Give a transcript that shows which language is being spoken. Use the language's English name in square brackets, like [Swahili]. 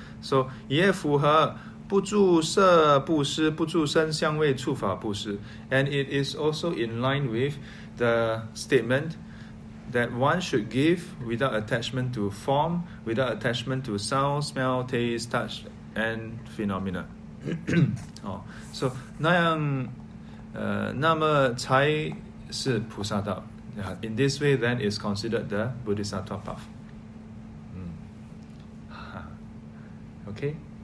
[English] So [Chinese] 也符合不住色布施不住声香味触法布施 [English] And it is also in line withThe statement that one should give without attachment to form, without attachment to sound, smell, taste, touch, and phenomena. [Chinese] 、so, 那样那么才是菩萨道。 [English] Yeah, in this way, then, is considered the Bodhisattva path.、okay?